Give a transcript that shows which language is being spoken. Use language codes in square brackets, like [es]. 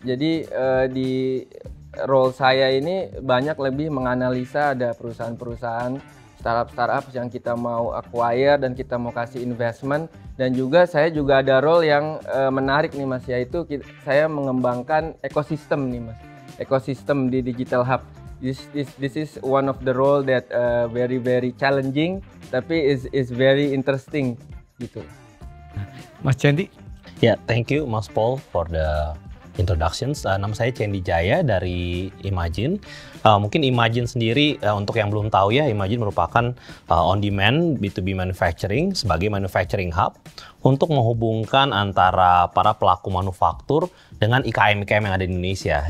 [id] Jadi di role saya ini banyak lebih menganalisa ada perusahaan-perusahaan, startup-startup yang kita mau acquire dan kita mau kasih investment. Dan juga saya juga ada role yang menarik nih, Mas, yaitu saya mengembangkan ekosistem nih, Mas. Ekosistem di Digital Hub. [en] This is one of the role that very challenging, tapi is very interesting gitu. [id] Mas Cendi. [en] Ya, yeah, thank you Mas Paul for the introductions. [id] Nama saya Cendi Jaya dari Imagine. Mungkin Imagine sendiri, untuk yang belum tahu ya, Imagine merupakan on-demand B2B manufacturing sebagai manufacturing hub untuk menghubungkan antara para pelaku manufaktur dengan IKM-IKM yang ada di Indonesia.